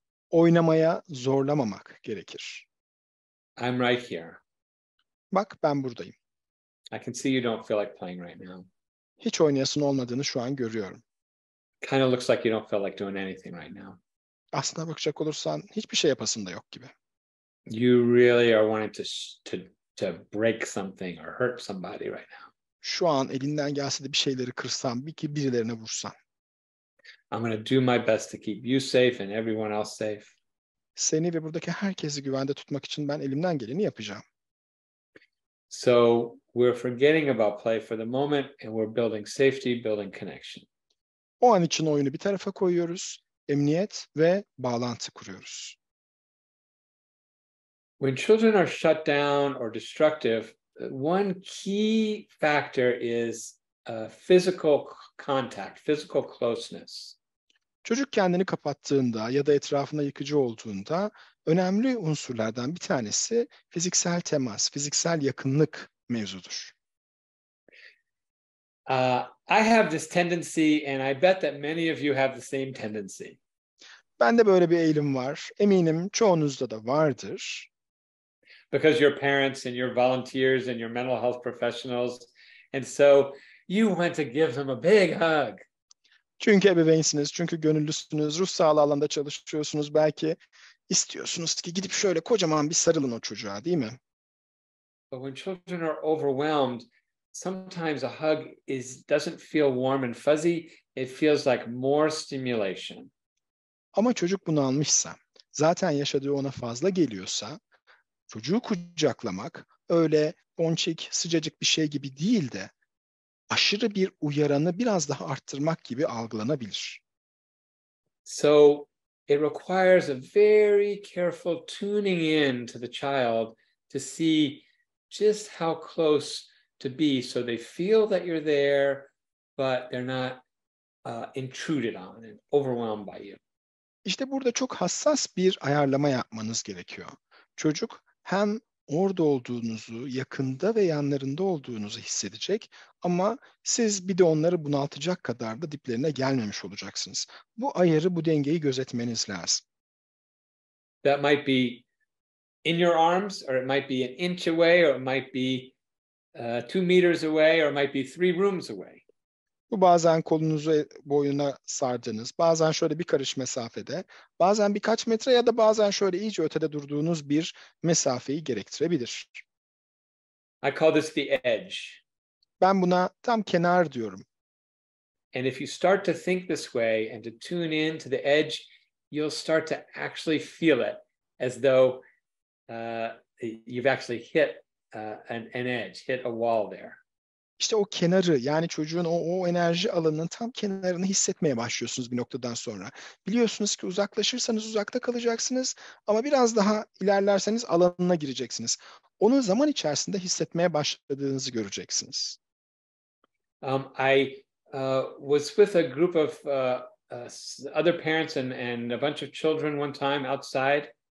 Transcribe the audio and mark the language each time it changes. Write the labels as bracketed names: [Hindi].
[Turkish] Oynamaya zorlamamak gerekir. [English] I'm right here. [Turkish] Bak ben buradayım. [English] I can see you don't feel like playing right now. [Turkish] Hiç oynayasın olmadığını şu an görüyorum. [English] Kind of looks like you don't feel like doing anything right now. [Turkish] Aslına bakacak olursan hiçbir şey yapasın da yok gibi. [English] You really are wanting to break something or hurt somebody right now. [Turkish] şu an elinden gelse de bir şeyleri kırsan, bir ki birilerine vursan. [English] I'm going to do my best to keep you safe and everyone else safe. [Turkish] Seni ve buradaki herkesi güvende tutmak için ben elimden geleni yapacağım. [English] So we're forgetting about play for the moment and we're building safety, building connection. [Turkish] O an için oyunu bir tarafa koyuyoruz, emniyet ve bağlantı kuruyoruz. [English] When children are shut down or destructive, one key factor is physical contact, physical closeness. [Turkish] Çocuk kendini kapattığında ya da etrafında yıkıcı olduğunda önemli unsurlardan bir tanesi fiziksel temas, fiziksel yakınlık mevzudur. [English] I have this tendency and I bet that many of you have the same tendency. [Turkish] Ben de böyle bir eğilim var. Eminim çoğunuzda da vardır. [English] Because your parents and your volunteers and your mental health professionals and so you want to give them a big hug. [Turkish] Çünkü ebeveynsiniz, çünkü gönüllüsünüz, ruh sağlığı alanında çalışıyorsunuz. Belki istiyorsunuz ki gidip şöyle kocaman bir sarılın o çocuğa, değil mi? [English] But when children are overwhelmed, sometimes a hug doesn't feel warm and fuzzy. It feels like more stimulation. [Turkish] Ama çocuk bunu almışsa, zaten yaşadığı ona fazla geliyorsa, çocuğu kucaklamak öyle bonçik, sıcacık bir şey gibi değil de, aşırı bir uyaranı biraz daha arttırmak gibi algılanabilir. [English] So it requires a very careful tuning in to the child to see just how close to be so they feel that you're there but they're not intruded on and overwhelmed by you. [Turkish] İşte burada çok hassas bir ayarlama yapmanız gerekiyor. Çocuk hem orada olduğunuzu, yakında ve yanlarında olduğunuzu hissedecek ama siz bir de onları bunaltacak kadar da diplerine gelmemiş olacaksınız. Bu ayarı, bu dengeyi gözetmeniz lazım. [English] That might be in your arms or it might be an inch away or it might be 2 meters away or it might be 3 rooms away. [Turkish] Bu bazen kolunuzu boyuna sardığınız, bazen şöyle bir karış mesafede, bazen birkaç metre ya da bazen şöyle iyice ötede durduğunuz bir mesafeyi gerektirebilir. [English] I call this the edge. [Turkish] Ben buna tam kenar diyorum. [English] And if you start to think this way and to tune in to the edge, you'll start to actually feel it as though you've actually hit an edge, hit a wall there. [Turkish] İşte o kenarı, yani çocuğun o enerji alanının tam kenarını hissetmeye başlıyorsunuz bir noktadan sonra. Biliyorsunuz ki uzaklaşırsanız uzakta kalacaksınız ama biraz daha ilerlerseniz alanına gireceksiniz. Onu zaman içerisinde hissetmeye başladığınızı göreceksiniz. [English] I was with a group of other parents and a bunch of children one time outside.